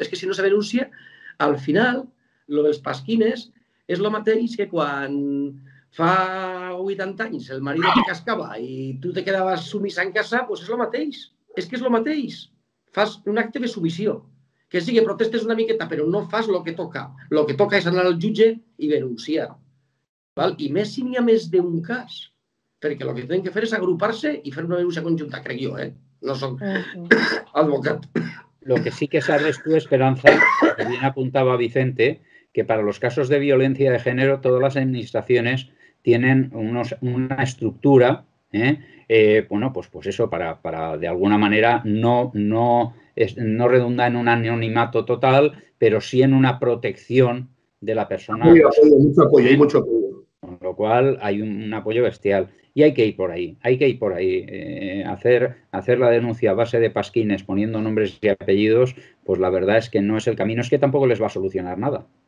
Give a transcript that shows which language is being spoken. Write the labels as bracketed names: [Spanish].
[Spanish] Es que si no se denuncia, al final, lo de los pasquines [Catalan] es lo mateix [Spanish] que cuando fa 80 años el marido te cascaba y tú te quedabas sumisa en casa, pues es lo mateix. Es que es lo mateix. [Catalan] Fas un acte de sumisión. Que sí, que protestes una miqueta, pero no fas lo que toca. [Spanish] Lo que toca es [Catalan] anar al jutge [Spanish] y denunciar. ¿Vale? [Catalan] I més si n'hi ha més d'un cas, perquè el que hem de fer és agrupar-se i fer una denúncia conjunta, crec jo, no soc advocat. El que sí que sabes tu, Esperanza, que bien apuntava Vicente, que per als casos de violència de gènere totes les administracions tenen una estructura, [Spanish] para de alguna manera no redundar en un anonimato total, [Catalan] però sí en una protecció de la persona. [Spanish] Hay mucho apoyo. Con lo cual hay un apoyo bestial y hay que ir por ahí, hacer la denuncia a base de pasquines poniendo nombres y apellidos, pues la verdad es que no es el camino, es que tampoco les va a solucionar nada,